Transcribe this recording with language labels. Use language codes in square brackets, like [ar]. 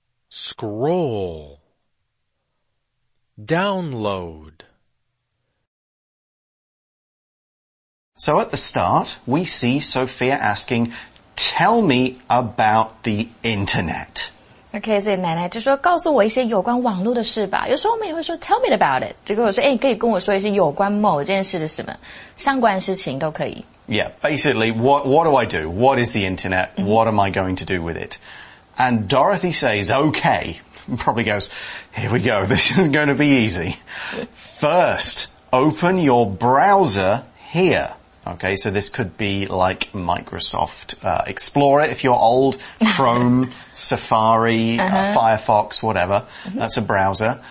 [en] Scroll. Download. So at the start, we see Sophia asking, tell me about the internet. [zh] Okay, 所以奶奶就说, 告诉我一些有关网络的事吧。有时候我们也会说, [en] tell me about it. [zh] 就跟我说, 可以跟我说一些有关某件事的事吗?相关事情都可以。 [en] Yeah, basically, what do I do? What is the internet? Mm-hmm. What am I going to do with it? And Dorothy says, okay. Probably goes, here we go. This isn't going to be easy. First, open your browser here. Okay, so this could be like Microsoft Explorer if you're old, Chrome, Safari, Firefox, whatever. Mm-hmm. That's a browser.